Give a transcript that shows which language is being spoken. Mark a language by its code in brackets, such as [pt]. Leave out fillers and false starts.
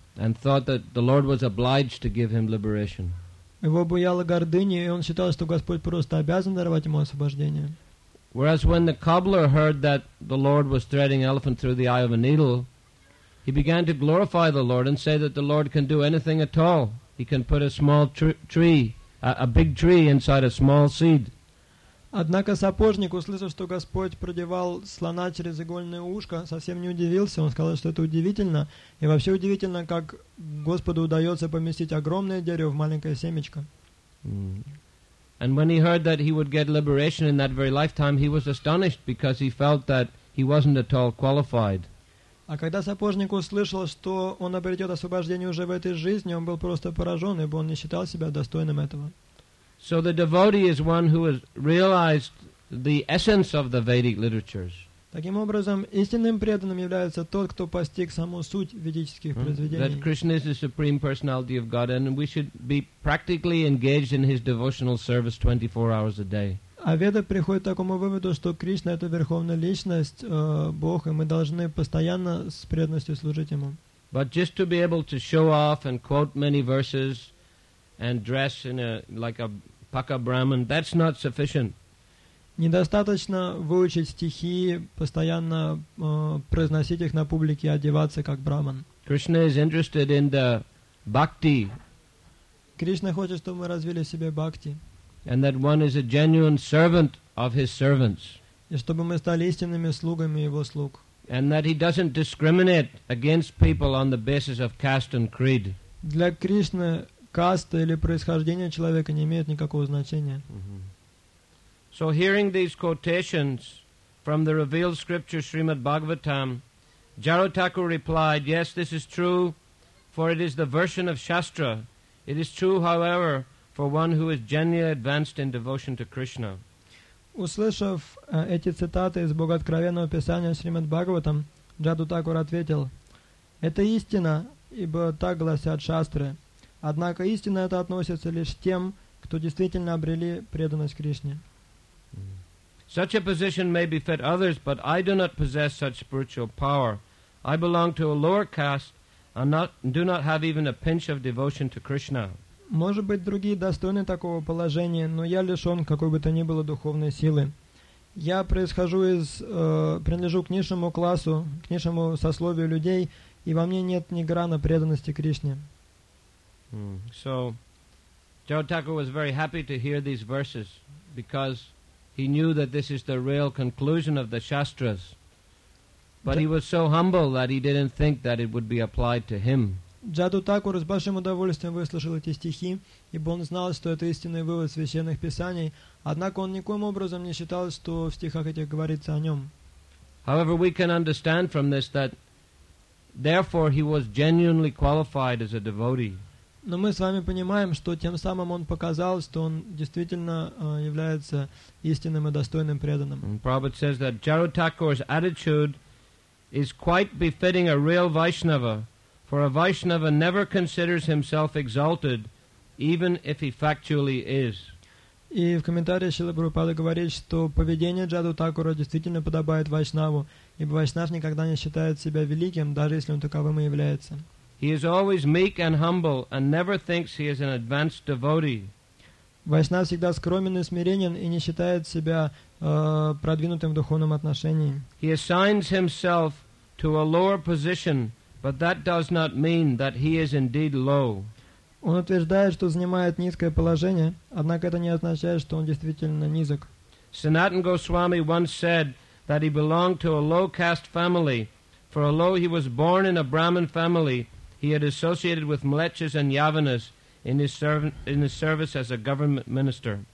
[en] And thought that the Lord was obliged to give him liberation. [ru] Его буяла гордыня, и он считал, что Господь просто обязан даровать ему освобождение. [en] Whereas when the cobbler heard that the Lord was threading an elephant through the eye of a needle, he began to glorify the Lord and say that the Lord can do anything at all. He can put a small big tree inside a small seed. [ru] Однако сапожник, услышав, что Господь продевал слона через игольное ушко, совсем не удивился. Он сказал, что это удивительно. И вообще удивительно, как Господу удается поместить огромное дерево в маленькое семечко. [en] And when he heard that he would get liberation in that very lifetime, he was astonished because he felt that he wasn't at all qualified. [ru] А когда сапожник услышал, что он обретет освобождение уже в этой жизни, он был просто поражен, ибо он не считал себя достойным этого. [en] So the devotee is one who has realized the essence of the Vedic literatures. [ru] Таким образом, истинным преданным является тот, кто постиг саму суть ведических произведений. [en] That Krishna is the supreme personality of God, and we should be practically engaged in his devotional service 24 hours a day. [ru] А веды приходят к такому выводу, что Кришна — это верховная личность, Бог, и мы должны постоянно с преданностью служить ему. [en] But just to be able to show off and quote many verses and dress in like a paka brahman, that's not sufficient. [ru] Недостаточно выучить стихи, постоянно произносить их на публике, одеваться как брахман. [en] Krishna is interested in the bhakti. [ru] Кришна хочет, чтобы мы развили в себе бхакти. [en] And that one is a genuine servant of his servants. [ru] и чтобы мы стали истинными слугами Его слуг. [en] And that He doesn't discriminate against people on the basis of caste and creed. [ru] Для Кришны каста или происхождение человека не имеет никакого значения. [en] So hearing these quotations from the revealed scripture Srimad Bhagavatam, Jarutaku replied, "Yes, this is true, for it is the version of Shastra. It is true, however, for one who is genuinely advanced in devotion to Krishna." [ru] Услышав эти цитаты из Богооткровенного Писания Шримад Бхагаватам, Джаду Такур ответил, «Это истина, ибо так гласят шастры. Однако истина это относится лишь к тем, кто действительно обрели преданность Кришне». [en] Such a position may befit others, but I do not possess such spiritual power. I belong to a lower caste and do not have even a pinch of devotion to Krishna. [ru] Может быть, другие достойны такого положения, но я лишен какой бы то ни было духовной силы. Я происхожу из, принадлежу к низшему классу, к низшему сословию людей, и во мне нет ни грана преданности Кришне. [en] So, Jarutaka was very happy to hear these verses, because he knew that this is the real conclusion of the Shastras. But he was so humble that he didn't think that it would be applied to him. [ru] Джаду Такур с большим удовольствием выслушал эти стихи, ибо он знал, что это истинный вывод священных писаний, однако он никоим образом не считал, что в стихах этих говорится о нем. However, we can understand from this that therefore he was genuinely qualified as a devotee. Но мы с вами понимаем, что тем самым он показал, что он действительно является истинным и достойным преданным. [en] And Prabhupada says that Jaru Thakur's attitude is quite befitting a real Vaishnava. For a Vaishnava never considers himself exalted, even if he factually is. [ru] И в комментариях Шрила Прабхупада говорит, что поведение Джаду Такура действительно подобает Вайшнаву, ибо Вайшнав никогда не считает себя великим, даже если он таковым и является. [en] He is always meek and humble, and never thinks he is an advanced devotee. [ru] Вайшнав всегда скромен и смиренен, и не считает себя продвинутым в духовном отношении. [en] He assigns himself to a lower position, but that does not mean that he is indeed low. [ru] Он утверждает, что занимает низкое положение, однако это не означает, что он действительно низок. [en] Sanatana Goswami once said that he belonged to a low caste family, for although he was born in a Brahmin family, he had associated with mlechas and yavanas in his service as a government minister.